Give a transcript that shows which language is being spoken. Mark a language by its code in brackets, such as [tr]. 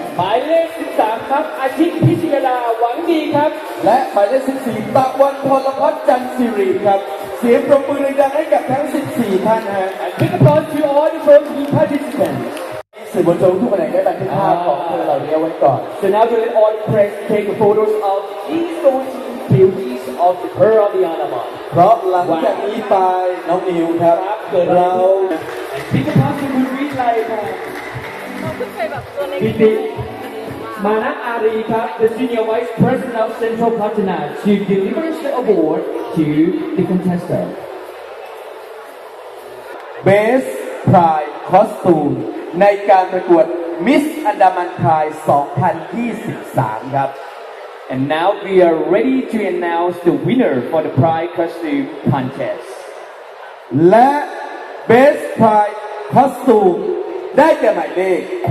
[th] หมายเลข13ครับอาทิตย์พิจิกาดาหวังดีครับ และหมายเลข14ตะวันพลพัฒน์จันทร์สิริครับส เสียงปรบมือดังๆให้กับทั้ง14ท่านนะฮะ [en] Big applause to all the first team participants [th] สื่อมวลชนทุกคนได้บันทึกภาพของเราเนี้ยไว้ก่อน [en] So now to let all press take photos of these those beauties of the Pearl of the Anamon [th] เพราะหลังจากนี้ไปน้องนิวครับ เกิด เรา [en] Big applause to Moon Reed Lai ครับ [th] ก็ไปแบบตัวเล็ก [en] มานะอารีครับ the senior vice president of central patna to deliver the award to the contestant [th] best pride costume ในการประกวด miss andaman pride 2023ครับ [en] and now we are ready to announce the winner for the pride costume contest [th] และ best pride costume ได้แก่หมายเลข